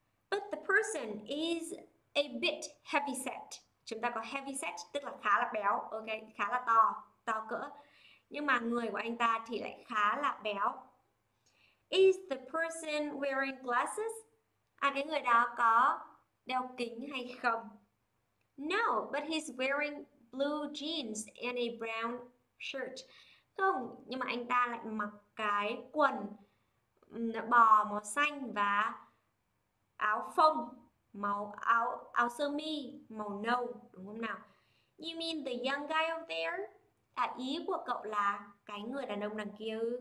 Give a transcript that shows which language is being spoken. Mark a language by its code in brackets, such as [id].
[en] But the person is a bit heavy set. [vi] Chúng ta có [en] heavy set [vi] tức là khá là béo, ok, khá là to, to cỡ. Nhưng mà người của anh ta thì lại khá là béo. [en] Is the person wearing glasses? [vi] À, cái người đó có đeo kính hay không? [en] No, but he's wearing blue jeans and a brown shirt. [vi] Không, nhưng mà anh ta lại mặc cái quần bò màu xanh và áo phông màu áo áo sơ mi màu nâu, đúng không nào? [en] You mean the young guy over there? [vi] À, ý của cậu là cái người đàn ông đằng kia?